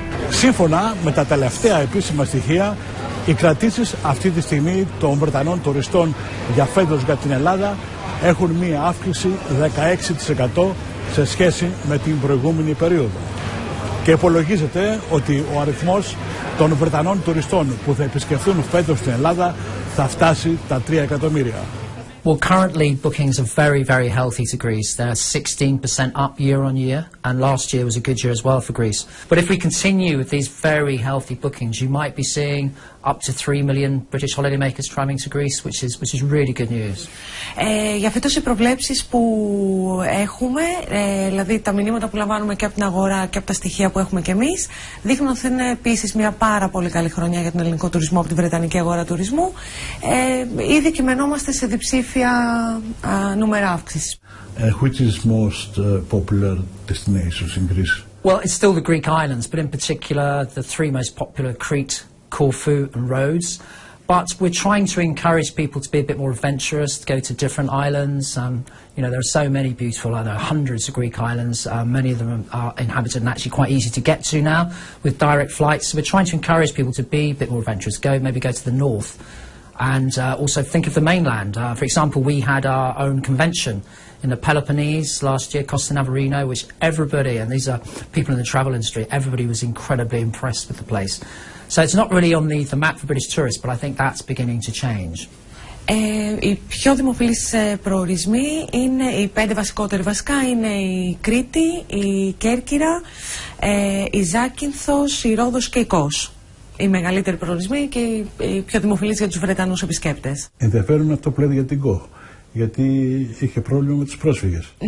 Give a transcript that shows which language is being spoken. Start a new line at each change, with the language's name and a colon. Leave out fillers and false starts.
Greek: Σύμφωνα με τα τελευταία επίσημα στοιχεία, οι κρατήσεις αυτή τη στιγμή των Βρετανών τουριστών για φέτος για την Ελλάδα έχουν μια αύξηση 16% σε σχέση με την προηγούμενη περίοδο. Και υπολογίζεται ότι ο αριθμός των Βρετανών τουριστών που θα επισκεφθούν φέτος στην Ελλάδα θα φτάσει τα 3 εκατομμύρια.
English: Well, currently bookings are very, very healthy to Greece. They're 16% up year on year, and last year was a good year as well for Greece. But if we continue with these very healthy bookings, you might be seeing up to 3 million British holidaymakers traveling to Greece, which is really good news.
Greek: Για φέτος οι προβλέψεις που έχουμε, δηλαδή τα μηνύματα που λαμβάνουμε και από την αγορά και από τα στοιχεία που έχουμε και εμείς, δείχνουν ότι είναι επίσης μια πάρα πολύ καλή χρονιά για τον ελληνικό τουρισμό από την Βρετανική αγορά τουρισμού. Ήδη κειμενόμαστε σε διψήφια νούμερα αύξησης.
English: Which is most popular destination in Greece? Well, it's still the Greek islands, but in particular the three most popular, Crete, Corfu and Rhodes. But we're trying to encourage people to be a bit more adventurous, to go to different islands. You know, there are so many beautiful, I know, hundreds of Greek islands. Many of them are inhabited and actually quite easy to get to now with direct flights. So we're trying to encourage people to be a bit more adventurous, go maybe go to the north and also think of the mainland. For example, we had our own convention in the Peloponnese last year, Costa Navarino, which everybody, and these are people in the travel industry, everybody was incredibly impressed with the place. So it's not really on the map for British tourists, but I think that's beginning to change.
Greek: Οι πιο δημοφιλείς προορισμοί είναι οι πέντε βασικότεροι βασικά, είναι η Κρήτη, η Κέρκυρα, η Ζάκυνθος, η Ρόδος και η Κος. Οι μεγαλύτεροι προορισμοί και οι πιο δημοφιλείς για τους Βρετανούς επισκέπτες. Ενδιαφέρον αυτό που λέτε για την Κος. Γιατί είχε πρόβλημα με τους πρόσφυγες.